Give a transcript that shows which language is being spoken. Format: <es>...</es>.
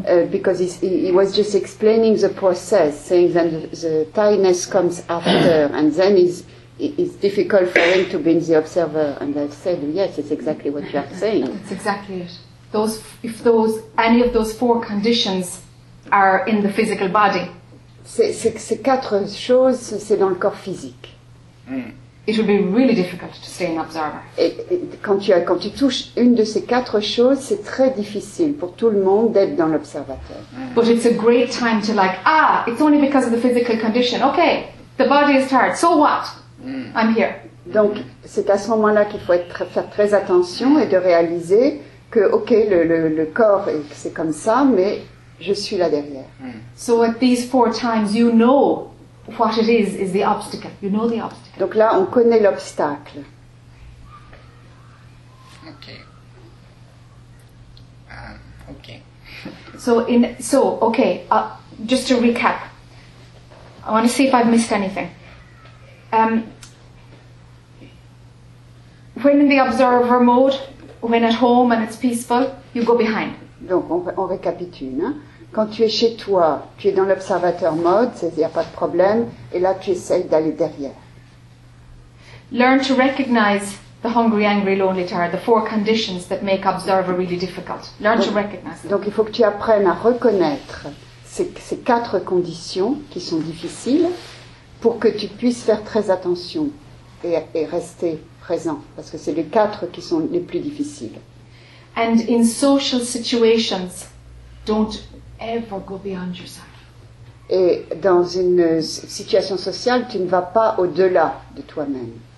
<en>Because he was just explaining the process, saying that the tiredness comes after, and then it's difficult for him to be in the observer. And I said, yes, it's exactly what you are saying. That's exactly it. If any of those four conditions are in the physical body.</en> <fr>Ces quatre choses, c'est dans le corps physique.</fr> <en>It would be really difficult to stay an observer.</en> <fr>Quand tu touches une de ces quatre choses, c'est très difficile pour tout le monde d'être dans l'observateur.</fr> <en>But it's a great time to like, ah, it's only because of the physical condition. Okay, the body is tired, so what? I'm here.</en> <fr>Donc, c'est à ce moment-là qu'il faut faire très attention et de réaliser que, ok, le corps, c'est comme ça, mais je suis là derrière.</fr> <en>So at these four times, you know what it is the obstacle. You know the obstacle.</en> <fr>Donc là, on connaît l'obstacle.</fr> <en>Ok. Ok. Just to recap, I want to see if I've missed anything. When in the observer mode, when at home and it's peaceful, you go behind.</en> <fr>Donc, on récapitule. Hein? Quand tu es chez toi, tu es dans l'observateur mode, il n'y a pas de problème, et là, tu essayes d'aller derrière.</fr> <en>Learn to recognize the hungry, angry, lonely, tired, the four conditions that make observer really difficult.</en> <fr>Donc, il faut que tu apprennes à reconnaître ces quatre conditions qui sont difficiles pour que tu puisses faire très attention et rester présent, parce que c'est les quatre qui sont les plus difficiles.</fr> <en>And in social situations, don't ever go beyond yourself.</en> <fr>Et dans une situation sociale, tu ne vas pas au-delà de toi-même.</fr>